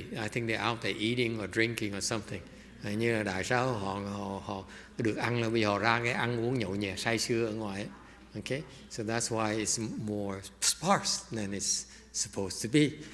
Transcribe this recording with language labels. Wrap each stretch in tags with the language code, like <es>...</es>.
<en>I think they're out there eating or drinking or something.</en> <vi>Như là đại sao họ được ăn là vì họ ra cái ăn uống nhậu nhẹt say sưa ở ngoài.</vi> <en>Okay, so that's why it's more sparse than it's supposed to be.</en>